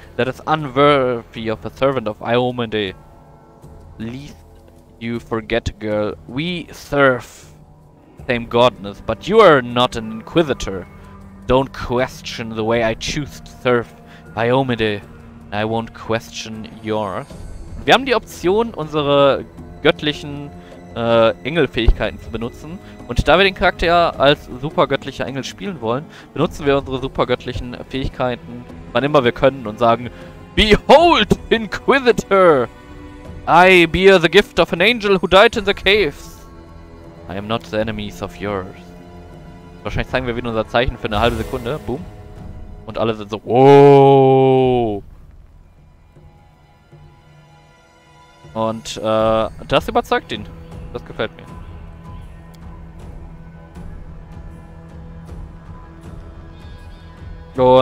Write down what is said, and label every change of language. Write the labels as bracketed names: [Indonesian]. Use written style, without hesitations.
[English] That is unworthy of a servant of Iomande. Least you forget, girl, we serve same godness, but you are not an inquisitor. Don't question the way I choose to serve Iomande. I won't question yours. [German] Wir haben die Option, unsere göttlichen Engelfähigkeiten zu benutzen. Und da wir den Charakter als supergöttlicher Engel spielen wollen, benutzen wir unsere supergöttlichen Fähigkeiten, wann immer wir können, und sagen: [English] Behold, Inquisitor! I bear the gift of an angel who died in the caves. I am not the enemies of yours. [German] Wahrscheinlich zeigen wir wieder unser Zeichen für eine halbe Sekunde. Boom. Und alle sind so: Whoa! Und das überzeugt ihn. Das gefällt mir.